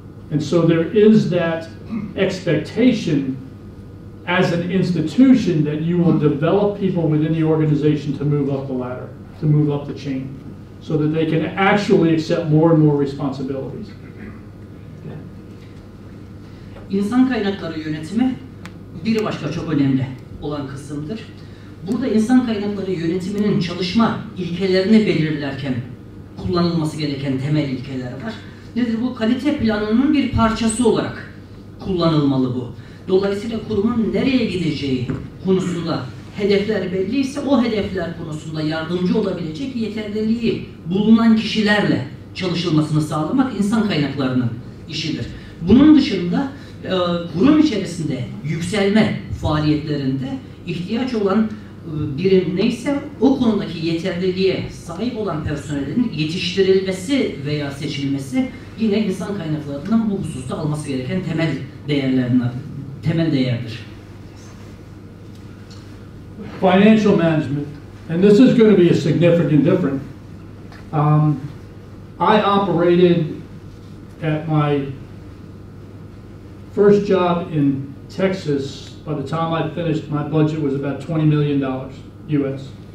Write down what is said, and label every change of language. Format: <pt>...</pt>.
<en>And so there is that expectation as an institution that you will develop people within the organization to move up the ladder, to move up the chain, so that they can actually accept more and more responsibilities.</en> <tr>İnsan kaynakları yönetimi bir başka çok önemli olan kısımdır. Burada insan kaynakları yönetiminin çalışma ilkelerini belirlerken kullanılması gereken temel ilkeler var. Nedir bu? Kalite planının bir parçası olarak kullanılmalı bu. Dolayısıyla kurumun nereye gideceği konusunda hedefler belliyse, o hedefler konusunda yardımcı olabilecek yeterliliği bulunan kişilerle çalışılmasını sağlamak insan kaynaklarının işidir. Bunun dışında kurum içerisinde yükselme faaliyetlerinde ihtiyaç olan birim neyse, o konudaki yeterliliğe sahip olan personelin yetiştirilmesi veya seçilmesi yine insan kaynaklarının bu hususta alması gereken temel değerlerinden, temel değerdir.</tr> <en>Financial management, and this is going to be a significant difference. I operated at my first job in Texas. By the time I finished, my budget was about $20 million US.</en>